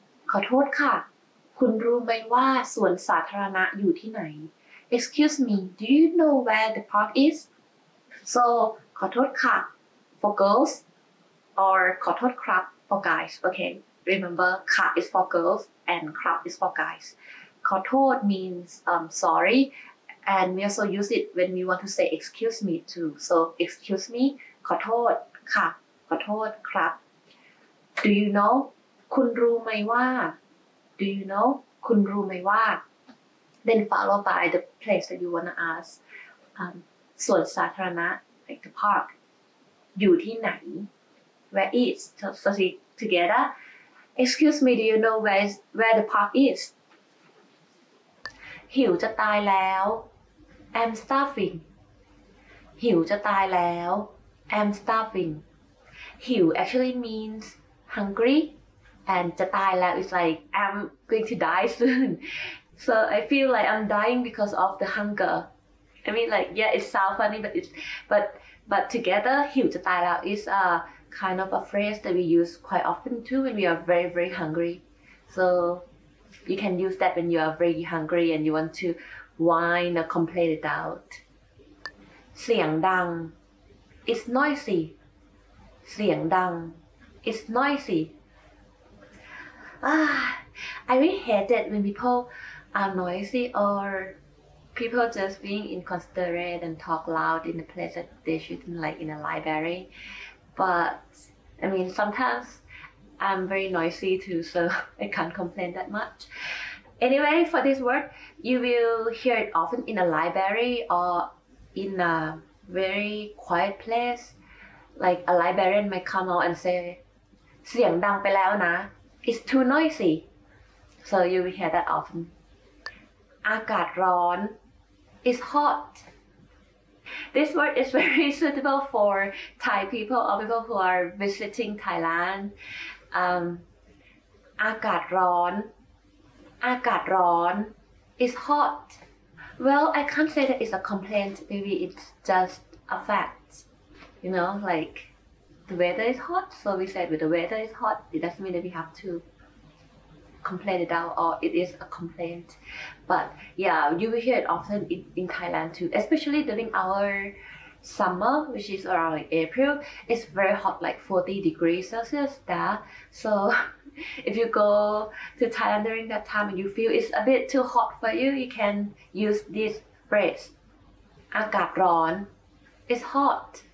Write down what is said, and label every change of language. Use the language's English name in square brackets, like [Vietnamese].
[Thai] ขอโทษค่ะคุณรู้ไหมว่าสวนสาธารณะอยู่ที่ไหน [English] Excuse me, do you know where the park is? So, ขอโทษค่ะ for girls or ขอโทษครับ for guys. Okay, remember, ค่ะ is for girls and ครับ is for guys. ขอโทษ means sorry and we also use it when we want to say excuse me too. So, excuse me, [Thai] ขอโทษค่ะขอโทษครับ [English] Do you know? คุณรู้ไหมว่า Do you know? คุณรู้ไหมว่าThen followed by the place that you want to ask. สวนสาธารณะ like the park. อยู่ที่ไหน Where is? So see together. Excuse me, do you know where the park is? [Thai] หิวจะตายแล้ว [English] I'm starving. [Thai] หิวจะตายแล้ว I'm starving. [English] หิว actually means hungry. And จะตายแล้ว is like I'm going to die soon. So I feel like I'm dying because of the hunger. I mean like, yeah, it sounds funny, but but together, [Thai] hiu zhe tai lao [English] is a kind of a phrase that we use quite often too when we are very, very hungry. So you can use that when you are very hungry and you want to whine or complain it out. [Thai] เสียงดัง [English] It's noisy. [Thai] เสียงดัง It's noisy. [English] I really hate it when people... are noisy or people just being inconsiderate and talk loud in a place that they shouldn't like in a library but I mean sometimes I'm very noisy too so I can't complain that much anyway for this word you will hear it often in a library or in a very quiet place like a librarian might come out and say [Thai] เสียงดังไปแล้วนะ [English] it's too noisy so you will hear that often. อากาศร้อน is hot. This word is very suitable for Thai people or people who are visiting Thailand. [Thai] อากาศร้อน อากาศร้อน is hot. [English] Well, I can't say that it's a complaint. Maybe it's just a fact. You know, like the weather is hot. So we said, well, the weather is hot. It doesn't mean that we have to. Complain it out or it is a complaint but yeah you will hear it often in Thailand too especially during our summer which is around like April it's very hot like 40 degrees Celsius there so if you go to Thailand during that time and you feel it's a bit too hot for you you can use this phrase อากาศร้อน it's hot